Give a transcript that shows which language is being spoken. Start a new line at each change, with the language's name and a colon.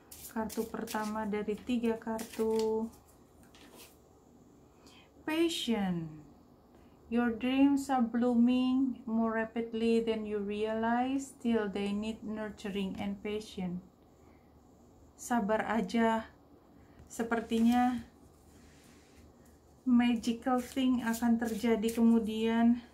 Indonesian: Kartu pertama dari 3 kartu.
English: Patience. Your dreams are blooming more rapidly than you realize. Still, they need nurturing and patience.
Indonesian: Sabar aja. Sepertinya magical thing akan terjadi kemudian.